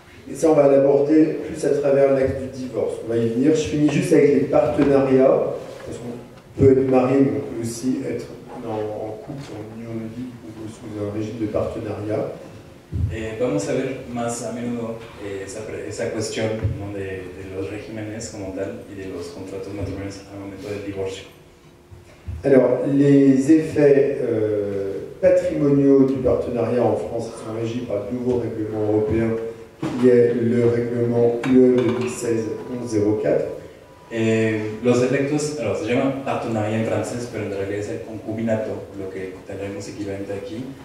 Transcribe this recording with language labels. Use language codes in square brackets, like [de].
[fr] Et ça, on va l'aborder plus à travers l'axe du divorce. On va y venir. Je finis juste avec les partenariats, parce qu'on peut être marié, mais on peut aussi être en couple, en union de vie, ou sous un régime de partenariat. Et [es] vamos a ver más a menudo esa cuestión, ¿no? de los regímenes como tal y de los contratos matrimoniales al momento del divorcio. [fr] Alors, les effets patrimoniaux du partenariat en France sont régis par le nouveau règlement européen qui est le règlement UE 2016-1104. [es] Los efectos, [fr] alors, [es] se llama partenariat [fr] en français, [es] pero en realidad es el concubinato, lo que tendremos equivalente aquí.